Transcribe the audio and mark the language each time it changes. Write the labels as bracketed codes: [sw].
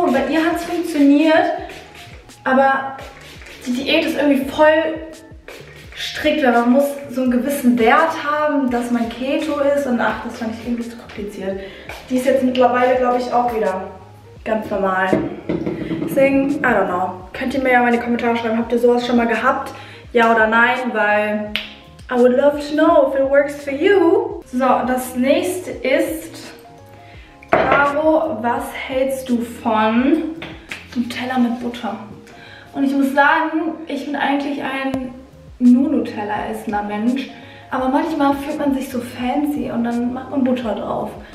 [de] Und bei ihr hat es funktioniert. Aber die Diät ist irgendwie voll strikt, weil man muss so einen gewissen Wert haben, dass man Keto ist. Und ach, das fand ich irgendwie zu kompliziert. Die ist jetzt mittlerweile, glaube ich, auch wieder ganz normal. Deswegen, [en] I don't know. [de] Könnt ihr mir ja mal in die Kommentare schreiben, habt ihr sowas schon mal gehabt? Ja oder nein? Weil [en] I would love to know if it works for you. [de] So, das nächste ist, Caro, was hältst du von Nutella mit Butter? Und ich muss sagen, ich bin eigentlich ein nur Nutella-essender Mensch. Aber manchmal fühlt man sich so fancy und dann macht man Butter drauf.